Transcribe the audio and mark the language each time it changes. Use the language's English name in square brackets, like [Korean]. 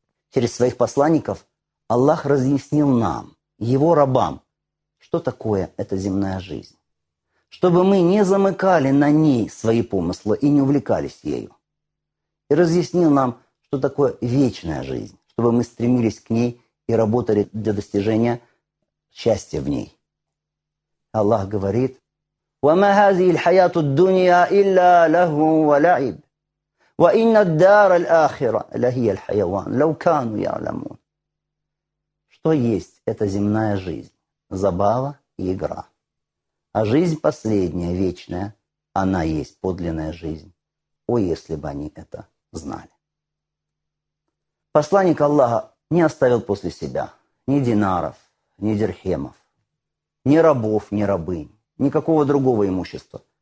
[Russian] Через своих посланников Аллах разъяснил нам, его рабам, что такое эта земная жизнь, чтобы мы не замыкали на ней свои помыслы и не увлекались ею. И разъяснил нам, что такое вечная жизнь, чтобы мы стремились к ней и работали для достижения счастья в ней. Аллах говорит: [Arabic] «Вама хази аль-хаяту ад-дунья илля лахву ва лаиб. وإن الدار الآخرة لهي الحيوان لو كانوا يعلمون. [Russian] Что есть эта земная жизнь? Забава и игра. А жизнь последняя, вечная, она есть подлинная жизнь. О, если бы они это знали. Посланник Аллаха не оставил после себя ни динаров, ни дирхемов, ни рабов, ни рабынь, никакого другого имущества.